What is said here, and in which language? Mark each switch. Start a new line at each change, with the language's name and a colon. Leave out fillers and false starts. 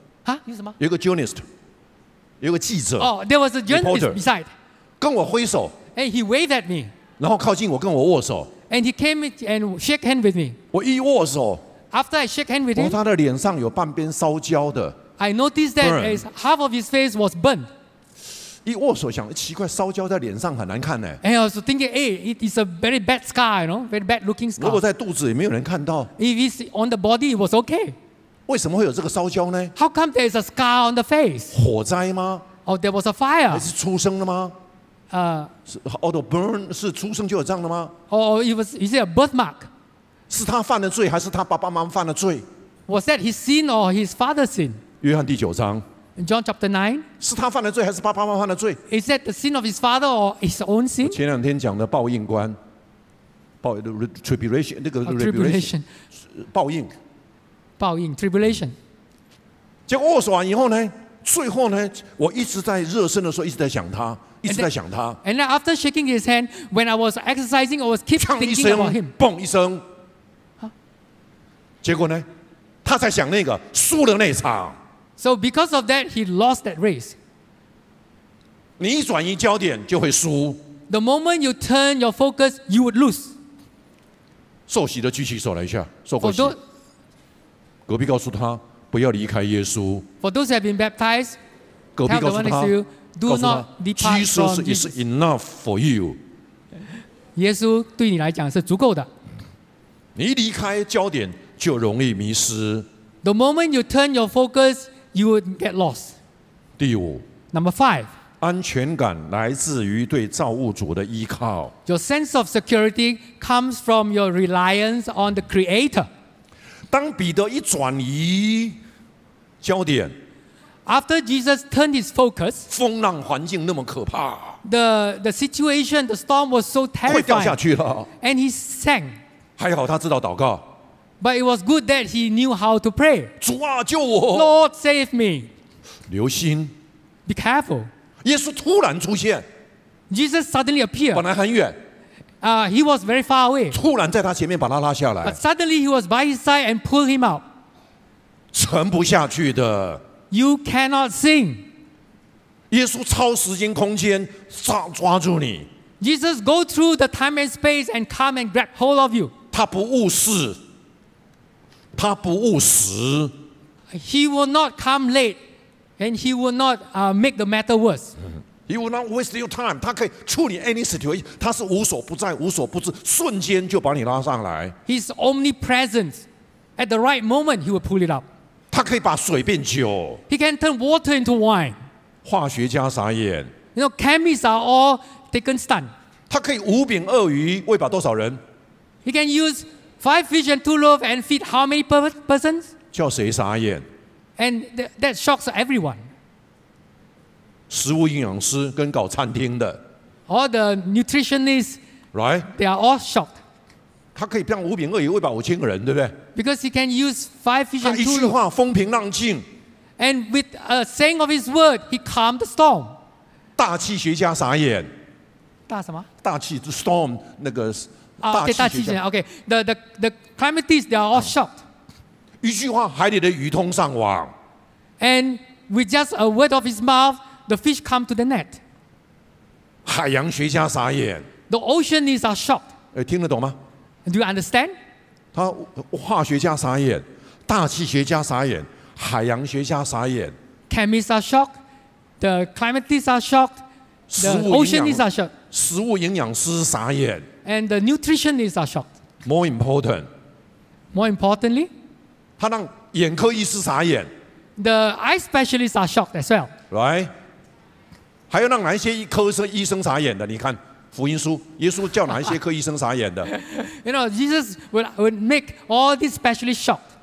Chinese: 啊？有什么？有个 journalist， 有个记者。
English: Oh, there was a journalist beside.
Chinese: 跟我挥手。
English: And he waved at me.
Chinese: 然后靠近我，跟我握手。
English: And he came and shake hand with me.
Chinese: 我一握手。
English: After I shake hand with him,
Chinese: 他的脸上有半边烧焦的。
English: I noticed that his half of his face was burned.
Chinese: 一握手想奇怪，烧焦在脸上很难看呢。
English: And I was thinking, hey, it is a very bad scar, you know, very bad looking scar.
Chinese: 如果在肚子也没有人看到。
English: If it's on the body, it was okay.
Chinese: 为什么会有这个烧焦呢
English: ？How come there is a scar on the face?
Chinese: 火灾吗
English: ？Oh, there was a fire.
Chinese: 还是出生了吗？
English: Auto burn
Chinese: 是出生就有这样的吗
English: ？Oh, it was. Is it a birthmark?
Chinese: 是他犯的罪，还是他爸爸妈妈犯的罪
English: ？Was that his sin or his father's sin？
Chinese: 约翰第九章。
English: John chapter nine。
Chinese: 是他犯的罪，还是爸爸妈妈犯的罪
English: ？Is that the sin of his father or his own sin？
Chinese: 前两天讲的报应观，报 tribulation 那个
English: tribulation，
Chinese: 报应，报应 tribulation。结果握手完以后呢，最后呢，我一直在热身的时候一直在想他，一直在想他。
English: And then after shaking his hand, when I was exercising, I was keep thinking about him。
Chinese: 砰一声。结果呢，他才想那个输了那场。
English: So because of that, he lost that race.
Chinese: 你一转移焦点就会输。
English: The moment you turn your focus, you would lose.
Chinese: 受洗的举起手来一下，受过洗。隔壁告诉他不要离开耶稣。
English: For those who have been baptized,
Chinese: 隔壁告诉他
English: ，Do not depart from Jesus. Jesus is enough for you.
Chinese: 耶稣对你来讲是足够的。你离开焦点。就容易迷失。
English: The moment you turn your focus, you would get lost.
Chinese: 第五。
English: Number five.
Chinese: 安全感来自于对造物主的依靠。
English: Your sense of security comes from your reliance on the Creator.
Chinese: 当彼得一转移焦点。
English: After Jesus turned his focus.
Chinese: 风浪环境那么可怕。
English: The situation, the storm was so terrifying.
Chinese: 会掉下去了。
English: And he sank.
Chinese: 还好他知道祷告。
English: But it was good that he knew how to pray.
Chinese: 主啊，救我！
English: Lord, save me.
Chinese: 留心。
English: Be careful.
Chinese: 耶稣突然出现。
English: Jesus suddenly appeared.
Chinese: 本来很远。
English: He was very far away.
Chinese: 突然在他前面把他拉下来。
English: But suddenly he was by his side and pulled him out.
Chinese: 沉不下去的。
English: You cannot sing.
Chinese: 耶稣超时间空间抓住你。
English: Jesus go through the time and space and come and grab hold of you.
Chinese: 他不误事。他不误时。
English: He will not come late, and he will not make the matter worse. He will not waste your time.
Chinese: 他可以处理
English: any situation.
Chinese: 他是无所不在、无所不知，瞬间就把你拉上来。
English: He's omnipresent. At the right moment, he will pull it up.
Chinese: 他可以把水变酒。
English: He can turn water into wine.
Chinese: 化学家傻眼。
English: You know, chemists are all taken stunned.
Chinese: 他可以五饼二鱼喂饱多少人
English: ？He can use five fish and two loaves and feed how many persons?
Chinese: 叫谁傻眼
English: ？And that shocks everyone.
Chinese: 食物营养师跟搞餐厅的
English: ，all the nutritionists, right? They are all shocked.
Chinese: 他可以变五饼二鱼喂饱五千个人，对不对
English: ？Because he can use five fish and two loaves.
Chinese: 他一句话风平浪静。
English: And with a saying of his word, he calmed the storm.
Chinese: 大气学家傻眼。大什么？大气
English: the storm
Chinese: 那个。大气旋
English: ，OK， the climatists they are all shocked.
Chinese: 一句话，海里的鱼通上网。
English: And with just a word of his mouth, the fish come to the net.
Chinese: 海洋学家傻眼。
English: The oceanists are shocked.
Chinese: 听得懂吗
English: ？Do you understand?
Chinese: 他化学家傻眼，大气学家傻眼，海洋学家傻眼。
English: Chemists are shocked. The climatists are shocked. The oceanists are shocked.
Chinese: 食物营养师傻眼。
English: And the nutritionists are shocked. More important. More importantly,
Chinese: 他让眼科医师傻眼。
English: The eye specialists are shocked as well. Right?
Chinese: 还有让哪一些科医生傻眼的？你看福音书，耶稣叫哪一些科医生傻眼的
English: ？You know, Jesus would make all these specialists shocked.